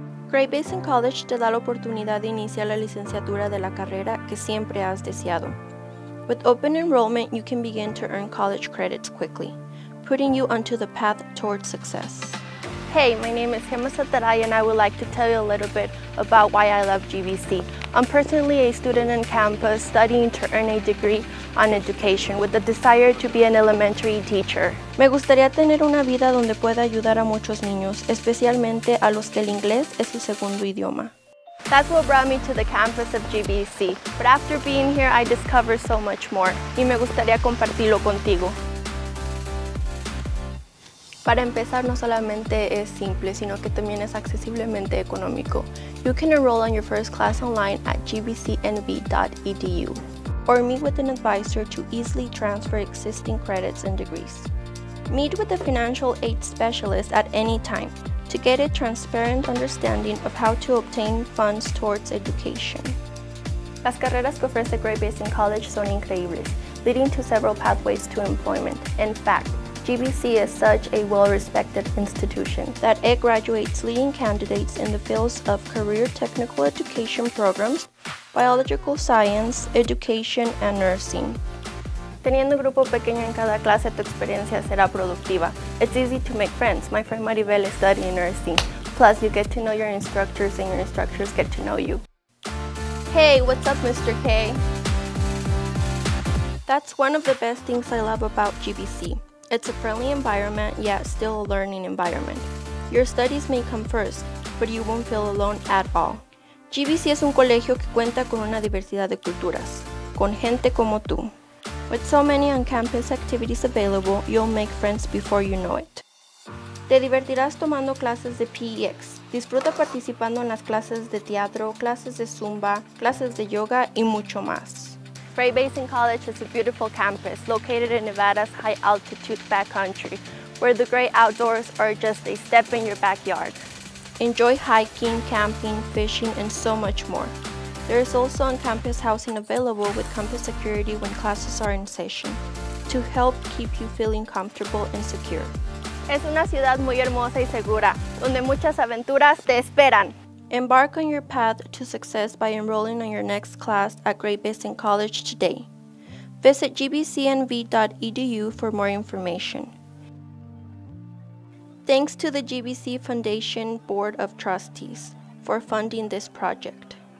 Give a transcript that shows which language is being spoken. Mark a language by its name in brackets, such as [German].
[Spanish] Great Basin College te da la oportunidad de iniciar la licenciatura de la carrera que siempre has deseado. [English] With open enrollment, you can begin to earn college credits quickly, putting you onto the path towards success. Hey, my name is Gemma Sataray and I would like to tell you a little bit about why I love GBC. I'm personally a student on campus studying to earn a degree on education with the desire to be an elementary teacher. [Spanish] Me gustaría tener una vida donde pueda ayudar a muchos niños, especialmente a los que el inglés es su segundo idioma. [English] That's what brought me to the campus of GBC. But after being here, I discovered so much more. [Spanish] Y me gustaría compartirlo contigo. Para empezar, no solamente es simple, sino que también es accesiblemente económico. [English] You can enroll on your first class online at gbcnv.edu or meet with an advisor to easily transfer existing credits and degrees. Meet with a financial aid specialist at any time to get a transparent understanding of how to obtain funds towards education. [Spanish] Las carreras que ofrece Great Basin College son increíbles, [English] leading to several pathways to employment. In fact, GBC is such a well-respected institution that it graduates leading candidates in the fields of career technical education programs, biological science, education, and nursing. [Spanish] Teniendo un grupo pequeño en cada clase, tu experiencia será productiva. [English] It's easy to make friends. My friend Maribel is studying nursing. Plus, you get to know your instructors and your instructors get to know you. Hey, what's up, Mr. K? That's one of the best things I love about GBC. It's a friendly environment, yet still a learning environment. Your studies may come first, but you won't feel alone at all. [Spanish] GBC es un colegio que cuenta con una diversidad de culturas, con gente como tú. [English] With so many on-campus activities available, you'll make friends before you know it. [Spanish] Te divertirás tomando clases de PEX. Disfruta participando en las clases de teatro, clases de Zumba, clases de yoga y mucho más. [English] Great Basin College is a beautiful campus located in Nevada's high altitude backcountry, where the great outdoors are just a step in your backyard. Enjoy hiking, camping, fishing, and so much more. There is also on-campus housing available with campus security when classes are in session to help keep you feeling comfortable and secure. [Spanish] Es una ciudad muy hermosa y segura, donde muchas aventuras te esperan. [English] Embark on your path to success by enrolling on your next class at Great Basin College today. Visit gbcnv.edu for more information. Thanks to the GBC Foundation Board of Trustees for funding this project.